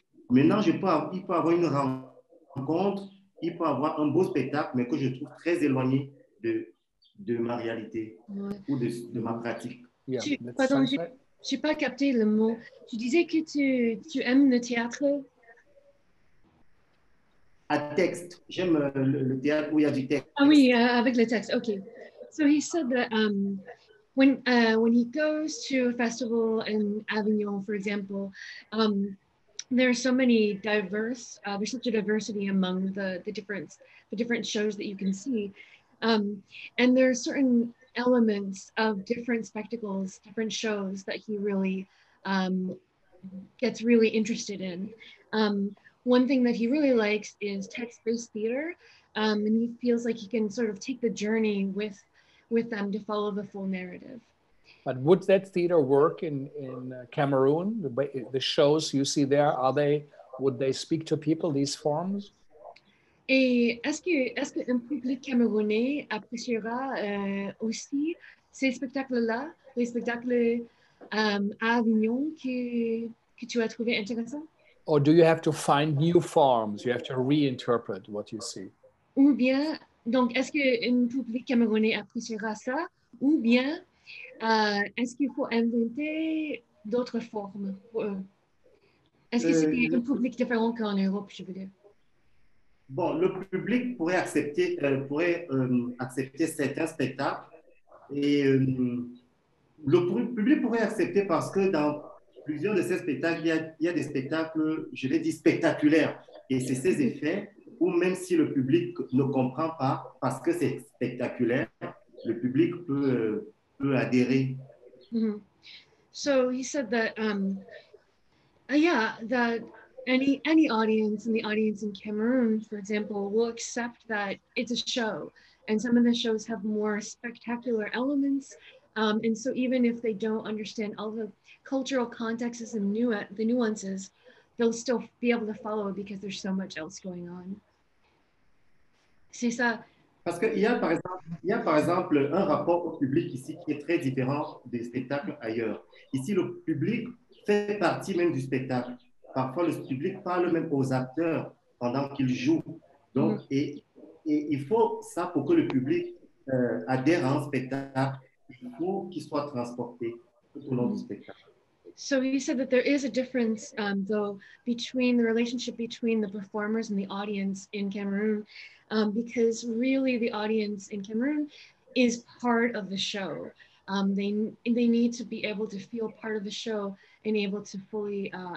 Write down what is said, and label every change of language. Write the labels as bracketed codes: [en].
[fr] Maintenant, il peut avoir une rencontre, il peut avoir un beau spectacle, mais que je trouve très éloigné de ma réalité ou de ma pratique. Yeah, pardon, je n'ai pas capté le mot. Tu disais que tu aimes le théâtre? À texte. J'aime le théâtre où il y a du texte. Ah oui, avec le texte, OK. [en] So he said that when he goes to a festival in Avignon, for example, there are so many diverse, there's such a diversity among the different shows that you can see. And there are certain elements of different spectacles, different shows that he really gets really interested in. One thing that he really likes is text-based theater, and he feels like he can sort of take the journey with them to follow the full narrative. But would that theater work in Cameroon? The shows you see there, would they speak to people, these forms? [fr] Et est-ce qu'un public camerounais appréciera aussi ces spectacles-là, les spectacles à Avignon que tu as trouvé intéressant? [en] Or do you have to find new forms? You have to reinterpret what you see. [fr] Ou bien, donc est-ce qu'un public camerounais appréciera ça? Ou bien, est-ce qu'il faut inventer d'autres formes pour eux? Est-ce que c'est un public différent qu'en Europe, je veux dire? Bon, le public pourrait accepter certains spectacles. Et le public pourrait accepter parce que dans plusieurs de ces spectacles, il y a des spectacles, je l'ai dit, spectaculaires. Et c'est ces effets où même si le public ne comprend pas parce que c'est spectaculaire, le public peut adhérer. [en] Mm-hmm. So he said that, that... Any audience and the audience in Cameroon, for example, will accept that it's a show. And some of the shows have more spectacular elements. And so even if they don't understand all the cultural contexts and the nuances, they'll still be able to follow because there's so much else going on. [fr] C'est ça. Parce qu'il y a par exemple, un rapport au public ici qui est très différent des spectacles ailleurs. Ici, le public fait partie même du spectacle. Parfois, le public parle même aux acteurs pendant qu'ils jouent. Donc, mm-hmm. et il faut ça pour que le public adhère à un spectacle, il faut qu'il soit transporté tout au long du spectacle. [en] So you said that there is a difference, though, between the relationship between the performers and the audience in Cameroon, because really the audience in Cameroon is part of the show. They need to be able to feel part of the show and able to fully...